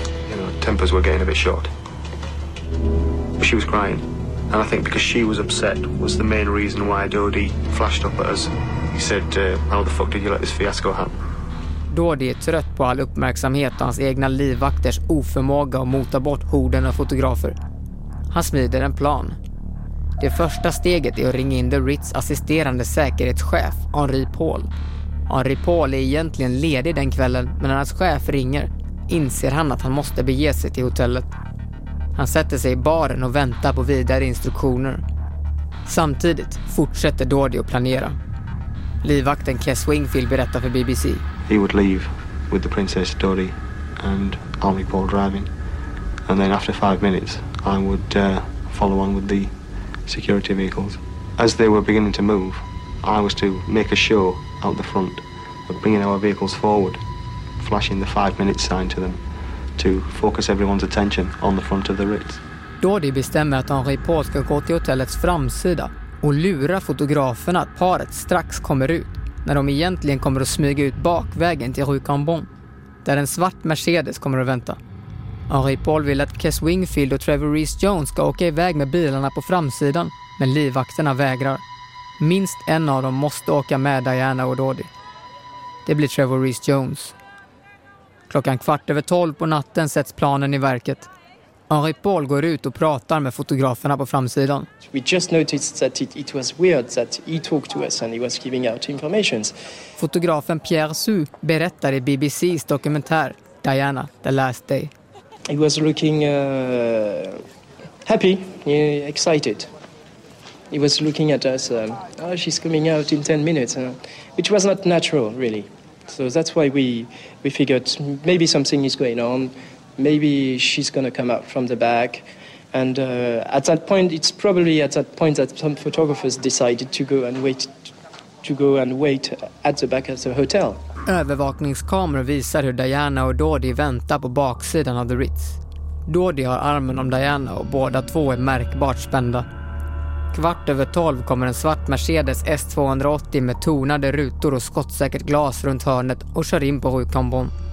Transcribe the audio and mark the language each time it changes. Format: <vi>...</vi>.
<en>You know, tempers were getting a bit short. She was crying. And I think because she was upset was the main reason why Dodi flashed up at us. He said, how the fuck did you let this fiasco happen?</en> <sv>Dodi är trött på all uppmärksamhet och hans egna livvakters oförmåga att mota bort horden och fotografer. Han smider en plan. Det första steget är att ringa in The Ritz assisterande säkerhetschef, Henri Paul. Henri Paul är egentligen ledig den kvällen, men när hans chef ringer inser han att han måste bege sig till hotellet. Han sätter sig i baren och väntar på vidare instruktioner. Samtidigt fortsätter Dodi att planera. Livvakten Kes Wingfield berättar för BBC.</sv> <en>He would leave with the princess Dodi and Army Paul driving. And then after 5 minutes I would follow on with the security vehicles. As they were beginning to move, I was to make a show out the front of bringing our vehicles forward, flashing the 5 minute sign to them to focus everyone's attention on the front of the Ritz.</en> <sv>Dodi bestämmer att Henri Paul ska gå till hotellets framsida och lura fotograferna att paret strax kommer ut när de egentligen kommer att smyga ut bakvägen till Rue Cambon där en svart Mercedes kommer att vänta. Henri Paul vill att Kes Wingfield och Trevor Rhys-Jones ska åka iväg med bilarna på framsidan, men livvakterna vägrar. Minst en av dem måste åka med Diana och Dodi. Det blir Trevor Rhys-Jones. Klockan 11:45 på natten sätts planen i verket. Henri Paul går ut och pratar med fotograferna på framsidan.</sv> <en>We just noticed that it was weird that he talked to us and he was giving out information.</en> <sv>Fotografen Pierre Su berättar i BBCs dokumentär Diana, The Last Day.</sv> <en>He was looking happy, excited. He was looking at us, oh, she's coming out in 10 minutes, which was not natural, really. So that's why we figured maybe something is going on, maybe she's going to come out from the back. And at that point, it's probably at that point that some photographers decided to go and wait at the back of the hotel.</en> <sv>Övervakningskameror visar hur Diana och Dodi väntar på baksidan av The Ritz. Dodi har armen om Diana och båda två är märkbart spända. 11:45 kommer en svart Mercedes S280 med tonade rutor och skottsäkert glas runt hörnet och kör in på Rue Cambon.</sv>